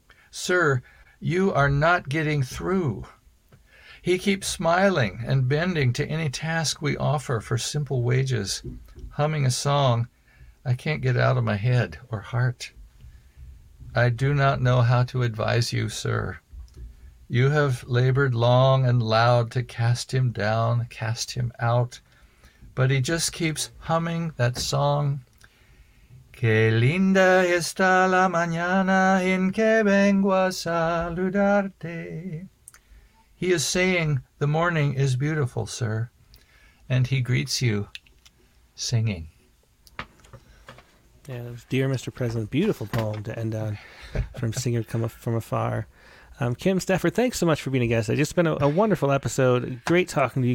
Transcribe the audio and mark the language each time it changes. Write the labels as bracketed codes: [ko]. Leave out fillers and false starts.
[en] Sir, you are not getting through. He keeps smiling and bending to any task we offer for simple wages, humming a song I can't get out of my head or heart. I do not know how to advise you, sir. You have labored long and loud to cast him down, cast him out. But he just keeps humming that song. [es] Que linda está la mañana en que vengo a saludarte. [en] He is saying, the morning is beautiful, sir. And he greets you singing. Yeah, it was Dear Mr. President, beautiful poem to end on from Singer Come From Afar. Kim Stafford, thanks so much for being a guest. It's just been a wonderful episode. Great talking to you.